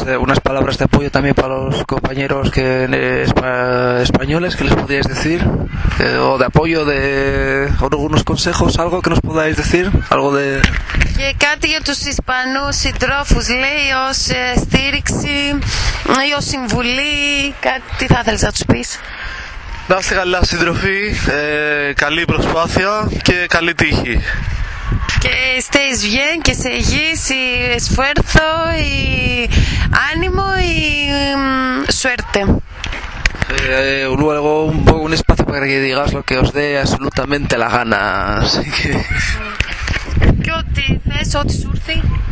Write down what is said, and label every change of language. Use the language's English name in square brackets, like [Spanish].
[Spanish] Unas palabras de apoyo también para los compañeros que españoles, que les podíais decir, o de apoyo, de algunos consejos, algo que nos podáis decir, algo de... [Greek] Και κάτι για τους Ισπανούς συντρόφους, λέει, ως στήριξη ή ως συμβουλή, κάτι, τι θα ήθελες να τους πεις? Να είστε καλά, συντροφοί, καλή προσπάθεια και καλή τύχη. [Spanish] Και estéis bien, [Greek] και σε υγιείς, [Spanish] y esfuerzo, y ánimo, y suerte. Luego un espacio para que digas lo que os dé absolutamente la gana, así que... [Greek] Και ό,τι θες, ό,τι σου έρθει.